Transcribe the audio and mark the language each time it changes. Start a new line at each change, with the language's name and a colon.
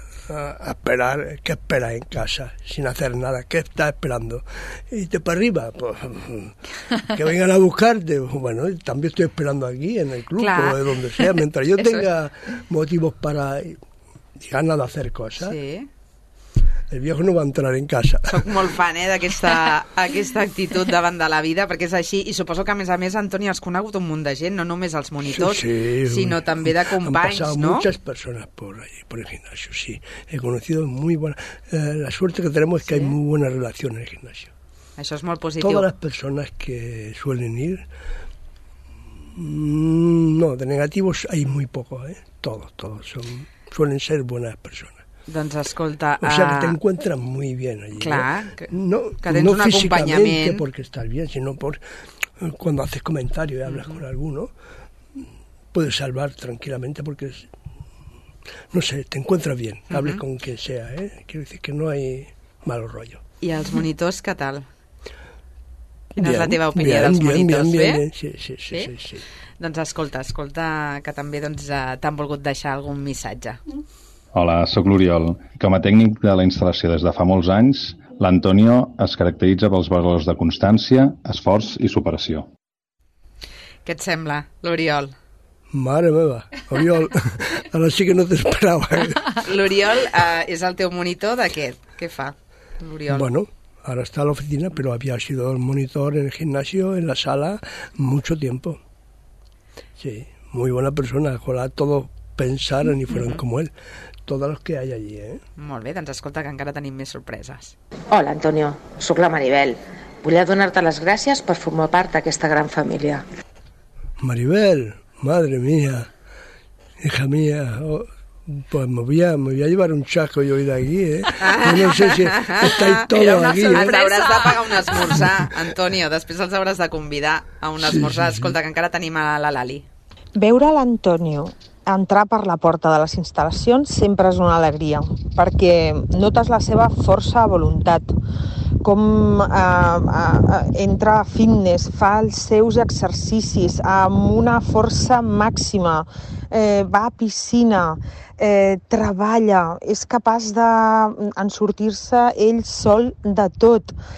Spanish: A esperar, ¿qué esperas en casa? Sin hacer nada, ¿qué estás esperando? Y te para arriba, pues, que vengan a buscarte. Bueno, también estoy esperando aquí, en el club, claro, o de donde sea. Mientras yo tenga motivos para ganas de hacer cosas, sí, el viejo no va a entrar en casa.
Catalan: Soc molt fan, d'aquesta actitud davant de la vida, perquè és així. I suposo que, a més, Antoni, has conegut un munt de gent, no només els monitors, sinó també de companys, no?
Spanish: Han pasado muchas personas por allí, por el gimnasio, sí. He conocido muy buena... La suerte que tenemos es que hay muy buena relación en el gimnasio.
Catalan: Això és molt positiu.
Spanish: Todas las personas que suelen ir... No, de negativos hay muy pocos, ¿eh? Todos. Suelen ser buenas personas.
Catalan: Doncs escolta,
Spanish: o sea que te encuentras muy bien allí.
Catalan: Clar, no, que tens no un acompanyament perquè estàs
Spanish: bien,
Catalan: sinó per
Spanish: quan haces comentario i hablas con alguno, puedes salvar tranquilamente porque es, no sé, te encuentras bien, hables con quien sea, ¿eh? Quiero decir que no hay mal rollo.
Catalan: I els monitors, què tal? Quina és la teva opinió dels monitors, Sí. Doncs escolta, que també doncs t'han volgut deixar algun missatge. Hola, sóc l'Oriol. Com a tècnic de la instal·lació des de fa molts anys, l'Antonio es caracteritza pels valors de constància, esforç i superació. Què et sembla, l'Oriol? Mare meva, Oriol, ara sí que no t'esperava. L'Oriol és el teu monitor d'aquest. Què fa, l'Oriol?
Spanish: Bueno,
Catalan: ara està a l'oficina, però
Spanish: havia sido el monitor en el gimnasio, en la sala, mucho tiempo. Sí, muy buena persona, ojalá todos pensaran y fueran como él. Todos los que hay allí, ¿eh?
Catalan: Molt bé, doncs escolta, que encara tenim més sorpreses. Hola, Antonio, sóc la Maribel. Volia donar-te les gràcies per formar part d'aquesta gran família.
Spanish: Maribel, madre mía, hija mía, oh, pues me voy a llevar un chasco yo de aquí, ¿eh? No sé si estáis todos aquí, ¿eh?
Catalan: Hauràs de pagar un esmorzar, Antonio, després els hauràs de convidar a un esmorzar. Sí, sí, escolta, sí, que encara tenim a la Lali. Veure l'Antonio entrar per la porta de les instal·lacions sempre és una alegria, perquè notes la seva força de voluntat, com entra a fitness, fa els seus exercicis amb una força màxima, va a piscina, treballa, és capaç d'ensortir-se ell sol de tot.